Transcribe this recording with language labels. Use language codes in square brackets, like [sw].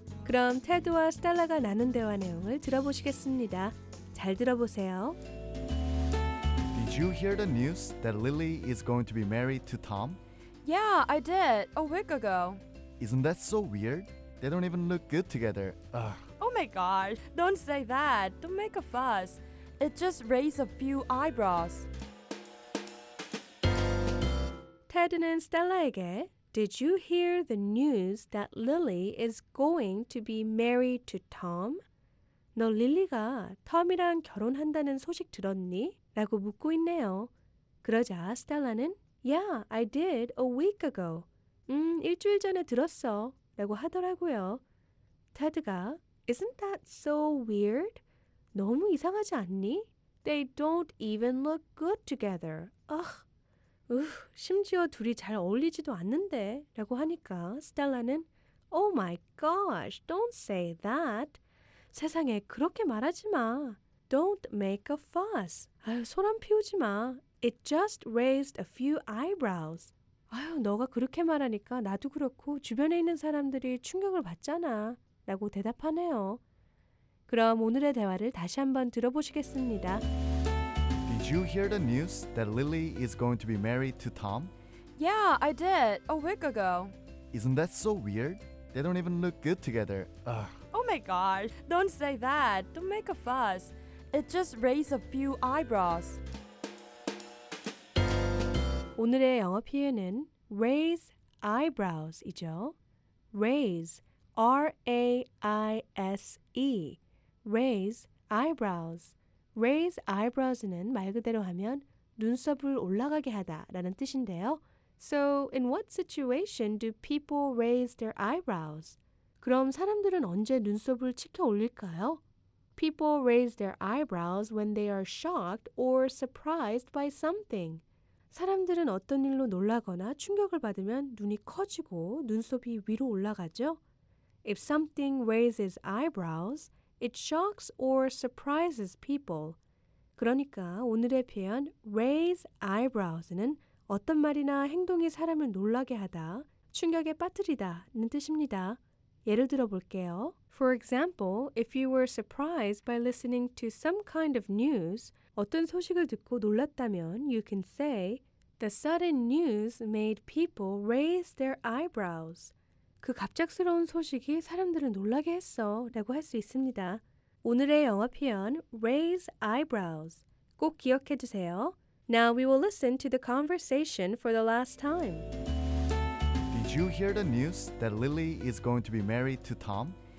[ko] 그럼 테드와 스텔라가 나눈 대화 내용을 들어보시겠습니다. 잘 들어보세요. [en] Did you hear the news that Lily is going to be married to Tom? Yeah, I did. A week ago. Isn't that so weird? They don't even look good together. Ugh. Oh my gosh, don't say that. Don't make a fuss. It just raised a few eyebrows. [ko] 테드는 스텔라에게 [en] Did you hear the news that Lily is going to be married to Tom? [ko] 너 릴리가 톰이랑 결혼한다는 소식 들었니? 라고 묻고 있네요. 그러자 스텔라는 [en] Yeah, I did a week ago. [ko] 일주일 전에 들었어. 라고 하더라고요. 테드가 [en] Isn't that so weird? [ko] 너무 이상하지 않니? [en] They don't even look good together. [ko] Ugh. 심지어 둘이 잘 어울리지도 않는데 라고 하니까 스텔라는 [en] Oh my gosh, don't say that. [ko] 세상에 그렇게 말하지 마. [en] Don't make a fuss. [ko] 아유, 소란 피우지 마. [en] It just raised a few eyebrows. [ko] 아유, 너가 그렇게 말하니까 나도 그렇고 주변에 있는 사람들이 충격을 받잖아 라고 대답하네요. 그럼 오늘의 대화를 다시 한번 들어보시겠습니다. [en] Did you hear the news that Lily is going to be married to Tom? Yeah, I did. A week ago. Isn't that so weird? They don't even look good together. Ugh. Oh my gosh, don't say that. Don't make a fuss. It just raised a few eyebrows. [ko] 오늘의 영어 표현은 raise eyebrows이죠. [en] Raise, R-A-I-S-E. [ko] Raise eyebrows. Raise eyebrows는 말 그대로 하면 눈썹을 올라가게 하다라는 뜻인데요. [en] So, in what situation do people raise their eyebrows? [ko] 그럼 사람들은 언제 눈썹을 치켜 올릴까요? [en] People raise their eyebrows when they are shocked or surprised by something. [ko] 사람들은 어떤 일로 놀라거나 충격을 받으면 눈이 커지고 눈썹이 위로 올라가죠. [en] If something raises eyebrows, It shocks or surprises people. [ko] 그러니까 오늘의 표현 raise eyebrows는 어떤 말이나 행동이 사람을 놀라게 하다, 충격에 빠뜨리다는 뜻입니다. 예를 들어볼게요. [en] For example, if you were surprised by listening to some kind of news, [ko] 어떤 소식을 듣고 놀랐다면 [en] you can say the sudden news made people raise their eyebrows. [ko] 그 갑작스러운 소식이 사람들을 놀라게 했어 라고 할 수 있습니다. 오늘의 영어 표현 raise eyebrows 꼭 기억해 주세요. [en] Now we will listen to the conversation for the last time. Did you hear the news that Lily is going to be married to Tom?